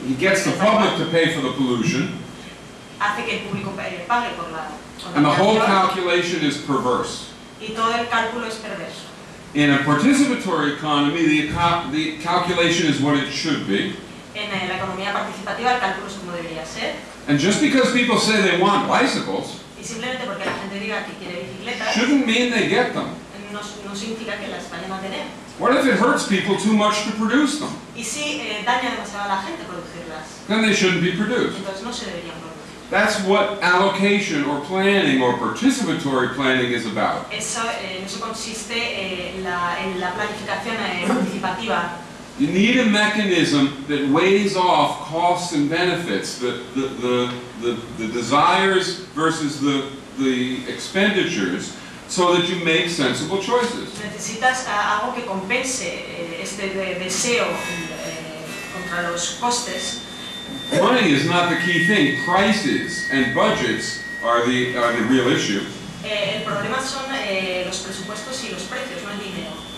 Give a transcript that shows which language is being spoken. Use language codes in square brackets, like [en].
[en] He gets the public to pay for the pollution. [es] Hace que el público pague por la contaminación. [en] And the whole calculation is perverse. [es] Y todo el cálculo es perverso. [en] In a participatory economy, the calculation is what it should be. [es] En la economía participativa, el cálculo es como debería ser. [en] And just because people say they want bicycles, [es] y simplemente porque la gente diga que quiere bicicletas, [en] shouldn't mean they get them. [es] No significa que las vayan a tener. [en] What if it hurts people too much to produce them? [es] Y si daña demasiado a la gente producirlas, [en] then they shouldn't be produced. [es] Entonces no se deberían producir. [en] That's what allocation or planning or participatory planning is about. [es] Eso consiste en la planificación participativa. [en] You need a mechanism that weighs off costs and benefits, the desires versus the expenditures, so that you make sensible choices. [es] Necesitas algo que compense este deseo contra los costes. [en] Money is not the key thing. Prices and budgets are the real issue. [es] El problema son los presupuestos y los precios, no el dinero.